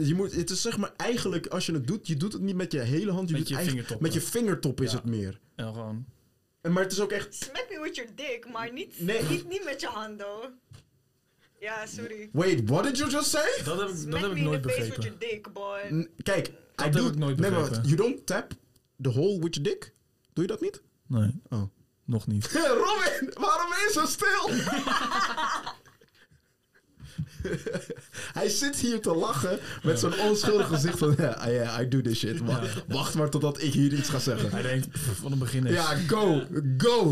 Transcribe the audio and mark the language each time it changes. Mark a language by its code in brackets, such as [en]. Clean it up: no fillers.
[nl] Het is zeg maar eigenlijk... Als je het doet, je doet het niet met je hele hand. Met je vingertop. Met je vingertop is het meer. Ja, gewoon... En, maar het is ook echt... [en] Smack me with your dick, [nl] maar niet met je hand, hoor. Ja, sorry. [en] Wait, what did you just say? [nl] Dat heb ik nooit begrepen. Kijk, [en] I do it [nl] nooit begrepen. Nee, [en] you don't tap the hole with your dick? [nl] Doe je dat niet? Nee. Oh, nog niet. Robin, waarom is hij stil? Hij zit hier te lachen met zo'n onschuldig gezicht van... [en] Yeah, I do this shit. [nl] Ja. Wacht maar totdat ik hier iets ga zeggen. Hij denkt, van het begin is. Ja, go, go.